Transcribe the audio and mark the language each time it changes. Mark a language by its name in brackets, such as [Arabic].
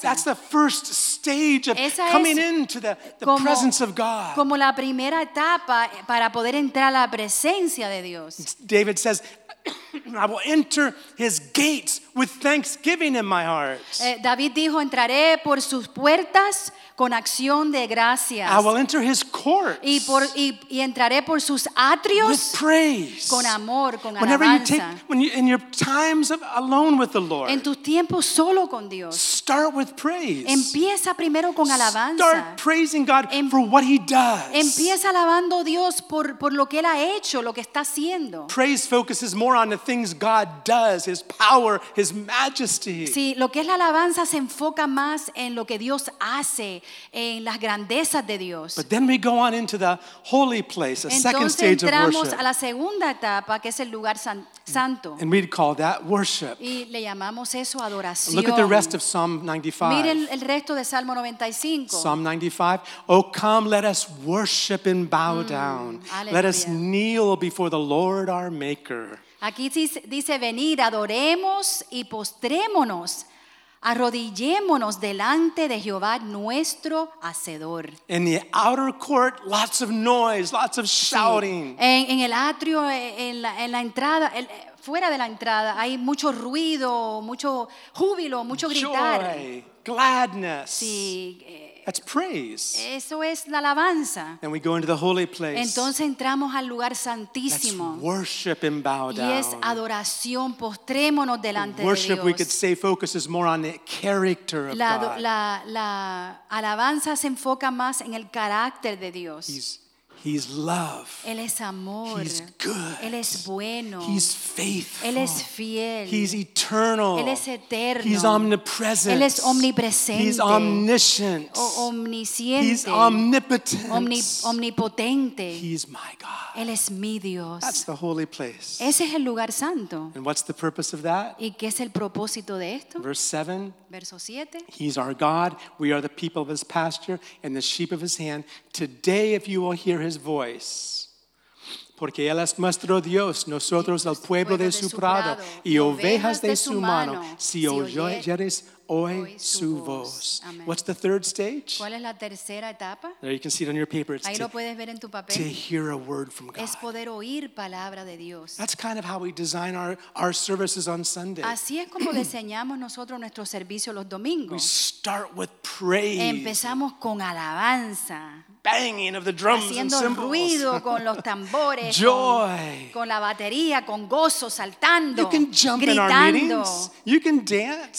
[English] That's the first stage of coming into the presence of God. [Spanish] Como la primera etapa para poder entrar a la presencia de Dios. [English] David says, I will enter his gates with thanksgiving in my heart. [Spanish] David dijo, entraré por sus puertas con acción de gracias. [English] I will enter his courts. [Spanish] Y entraré por sus atrios [English] with praise. [Spanish] Con amor, con [English] Whenever [Spanish] alabanza. [English] In your times of alone with the Lord. [Spanish] En tus tiempos solo con Dios. [English] Start with praise. [Spanish] Empieza primero con alabanza. [English] Start praising God for what he does. [Spanish] Empieza alabando a Dios por lo que él ha hecho, lo que está haciendo. [English] Praise focuses more on the things God does, his power, his majesty. [Spanish] Sí, lo que es la alabanza se enfoca más en lo que Dios hace. En las grandezas de Dios. [English] But then we go on into the holy place, a [Spanish] Entonces, [English] second stage of worship. [Spanish] Entramos a la segunda etapa, que es el lugar santo. [English] And we'd call that worship. [Spanish] Y le llamamos eso adoración. [English] Look at the rest of Psalm 95. [Spanish] Mire el resto de Salmo 95. [English] Psalm 95. Oh, come, let us worship and bow down. [Spanish] Aleluya. [English] Let us kneel before the Lord our Maker. [Spanish] Aquí dice, venid, adoremos y postrémonos. Arrodillémonos delante de Jehová nuestro Hacedor. [English] In the outer court, lots of noise, lots of shouting. [Spanish] Sí. En el atrio, en la entrada, fuera de la entrada, hay mucho ruido, mucho júbilo, mucho gritar. [English] Joy, gladness. [Spanish] Sí. [English] That's praise. [Spanish] Eso es la alabanza. [English] And we go into the holy place. [Spanish] Entonces entramos al lugar santísimo. [English] That's worship and bow down. [Spanish] Y es adoración, postrémonos delante de Dios. [English] Worship, we could say, focuses more on the character of God. [Spanish] La alabanza se enfoca más en el carácter de Dios. [English] He's love. [Spanish] Él es amor. [English] He's good. [Spanish] Él es bueno. [English] He's faithful. [Spanish] Él es fiel. [English] He's eternal. [Spanish] Él es eterno. [English] He's omnipresent. [Spanish] Él es omnipresente. [English] He's omniscient. [Spanish] Omnisciente. [English] He's omnipotent. [Spanish] Omnipotente. [English] He's my God. [Spanish] Él es mi Dios. [English] That's the holy place. [Spanish] Ese es el lugar santo. [English] And what's the purpose of that? [Spanish] ¿Y qué es el propósito de esto? [English] Verse 7. [Spanish] Verso 7. [English] He's our God. We are the people of his pasture and the sheep of his hand. Today, if you will hear his voice. [Spanish] Porque él es nuestro Dios, nosotros el pueblo de su prado y ovejas de su mano. Si oyeres hoy su voz. [English] What's the third stage? [Spanish] ¿Cuál es la tercera etapa? [English] There you can see it on your paper. [Spanish] Ahí lo puedes ver en tu papel. [English] To hear a word from God. [Spanish] Es poder oír palabra de Dios. [English] That's kind of how we design our services on Sunday. [Spanish] Así es como diseñamos nosotros nuestro servicio los domingos. [English] We start with praise. [Spanish] Empezamos con alabanza. [English] Banging of the drums [Spanish] haciendo [English] and cymbals. [Spanish] Ruido con los tambores, [English] joy. [Spanish] Con la batería, con gozo, saltando, [English] you can jump [Spanish] gritando. [English] In our meetings. You can dance.